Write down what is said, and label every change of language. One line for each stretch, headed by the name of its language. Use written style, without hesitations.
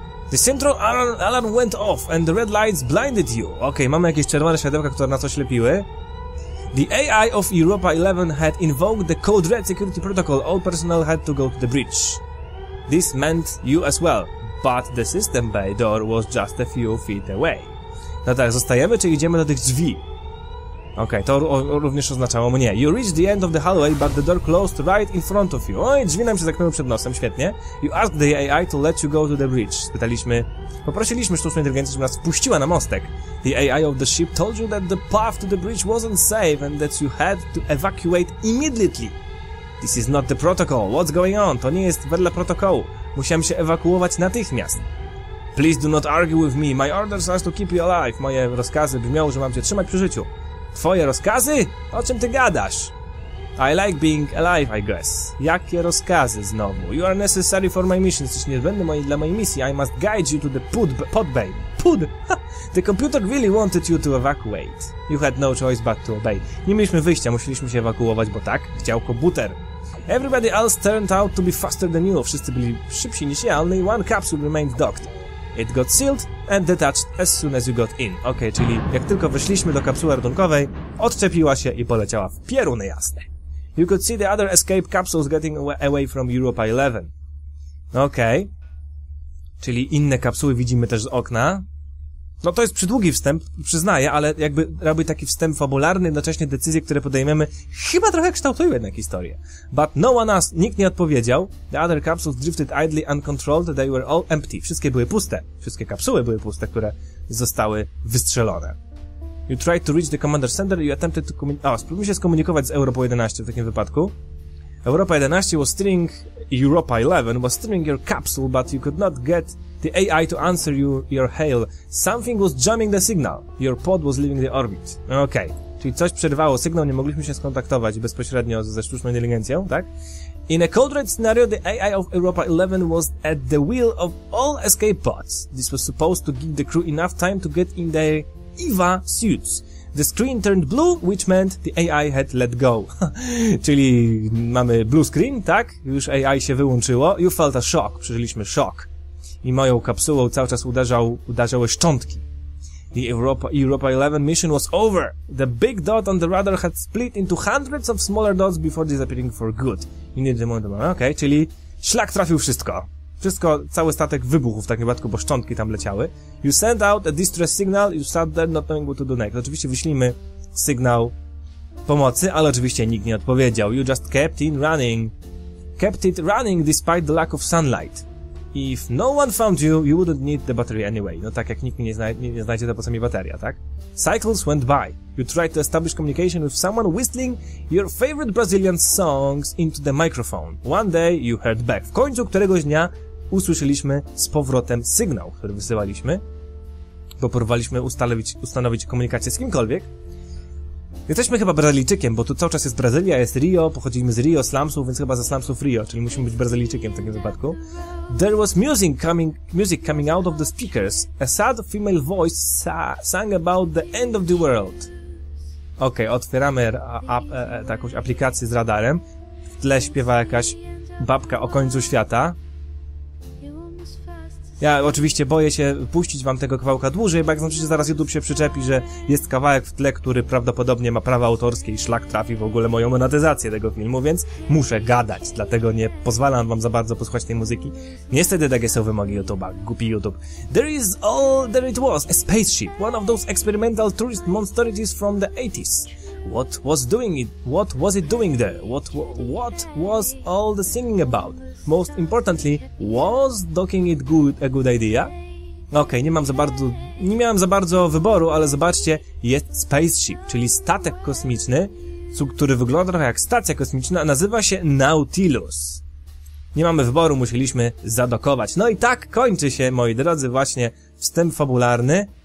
English: The central alarm went off and the red lights blinded you.
Polish: Okej, mamy jakieś czerwone światełka, które nas oślepiły.
English: The AI of Europa 11 had invoked the Code Red Security Protocol. All personnel had to go to the bridge. This meant you as well, but the system bay door was just a few feet away.
Polish: No tak, zostajemy czy idziemy do tych drzwi? Okej, okay, to również oznaczało mnie.
English: You reach the end of the hallway, but the door closed right in front of you.
Polish: Oj, drzwi nam się zamknęły przed nosem, świetnie.
English: You ask the AI to let you go to the bridge.
Polish: Spytaliśmy, poprosiliśmy sztuczną inteligencję, żeby nas wpuściła na mostek.
English: The AI of the ship told you that the path to the bridge wasn't safe and that you had to evacuate immediately. This is not the protocol. What's going on?
Polish: To nie jest wedle protokołu. Musiałem się ewakuować natychmiast.
English: Please do not argue with me. My orders are to keep you alive.
Polish: Moje rozkazy brzmią, że mam cię trzymać przy życiu. Twoje rozkazy? O czym ty gadasz?
English: I like being alive, I guess.
Polish: Jakie rozkazy znowu?
English: You are necessary for my mission.
Polish: Jesteś niezbędny dla mojej misji.
English: I must guide you to the pod bay. Pod! The computer really wanted you to evacuate. You had no choice but to obey.
Polish: Nie mieliśmy wyjścia, musieliśmy się ewakuować, bo tak chciał komputer.
English: Everybody else turned out to be faster than you.
Polish: Wszyscy byli szybsi niż ja.
English: Only one capsule remained docked. It got sealed and detached as soon as you got in.
Polish: Okej, czyli jak tylko wyszliśmy do kapsuły ratunkowej, odczepiła się i poleciała w pieruny jasne.
English: You could see the other escape capsules getting away from Europa 11.
Polish: Okej. Czyli inne kapsuły widzimy też z okna. No to jest przydługi wstęp, przyznaję, ale jakby robi taki wstęp fabularny, jednocześnie decyzje, które podejmiemy, chyba trochę kształtują jednak historię.
English: But no one asked,
Polish: nikt nie odpowiedział.
English: The other capsules drifted idly uncontrolled, they were all empty.
Polish: Wszystkie były puste. Wszystkie kapsuły były puste, które zostały wystrzelone.
English: You tried to reach the commander center, you attempted to
Polish: spróbujmy się skomunikować z Europą 11 w takim wypadku.
English: Europa 11 was steering, Europa 11 was steering your capsule, but you could not get the AI to answer your hail. Something was jamming the signal. Your pod was leaving the orbit. Okay.
Polish: Czyli coś przerwało sygnał, nie mogliśmy się skontaktować bezpośrednio ze sztuczną inteligencją, tak?
English: In a cold red scenario, the AI of Europa 11 was at the wheel of all escape pods. This was supposed to give the crew enough time to get in their EVA suits. The screen turned blue, which meant the AI had let go.
Polish: Czyli mamy blue screen, tak? Już AI się wyłączyło.
English: You felt a shock.
Polish: Przeżyliśmy szok. I moją kapsułą cały czas uderzały szczątki.
English: The Europa 11 mission was over. The big dot on the radar had split into hundreds of smaller dots before disappearing for good. You need the moment.
Polish: Okay, czyli szlak trafił wszystko. Wszystko, cały statek wybuchł w takim wypadku, bo szczątki tam leciały.
English: You sent out a distress signal, you sat there not knowing what to do next.
Polish: Oczywiście wyślimy sygnał pomocy, ale oczywiście nikt nie odpowiedział.
English: You just kept it running. Kept it running despite the lack of sunlight. If no one found you, you wouldn't need the battery anyway.
Polish: No tak jak nikt nie znajdzie, to po co mi bateria, tak?
English: Cycles went by. You tried to establish communication with someone whistling your favorite Brazilian songs into the microphone. One day you heard back.
Polish: W końcu któregoś dnia usłyszeliśmy z powrotem sygnał, który wysyłaliśmy, bo próbowaliśmy ustanowić komunikację z kimkolwiek. Jesteśmy chyba Brazylijczykiem, bo tu cały czas jest Brazylia, jest Rio, pochodzimy z Rio, slumsów, więc chyba ze slumsów Rio, czyli musimy być Brazylijczykiem w takim wypadku.
English: There was music coming out of the speakers. A sad female voice sang about the end of the world.
Polish: Okej, otwieramy jakąś aplikację z radarem. W tle śpiewa jakaś babka o końcu świata. Ja oczywiście boję się puścić wam tego kawałka dłużej, bo jak znaczycie, zaraz YouTube się przyczepi, że jest kawałek w tle, który prawdopodobnie ma prawa autorskie i szlak trafi w ogóle moją monetyzację tego filmu, więc muszę gadać, dlatego nie pozwalam wam za bardzo posłuchać tej muzyki. Niestety takie są wymogi YouTube'a, głupi YouTube.
English: There is all there it was, a spaceship, one of those experimental tourist monstrosities from the 80s. What was it doing there? What was all the singing about? Most importantly, was docking it a good idea?
Polish: Okej, nie miałem za bardzo wyboru, ale zobaczcie, jest spaceship, czyli statek kosmiczny, który wygląda trochę jak stacja kosmiczna, nazywa się Nautilus. Nie mamy wyboru, musieliśmy zadokować. No i tak kończy się, moi drodzy, właśnie wstęp fabularny.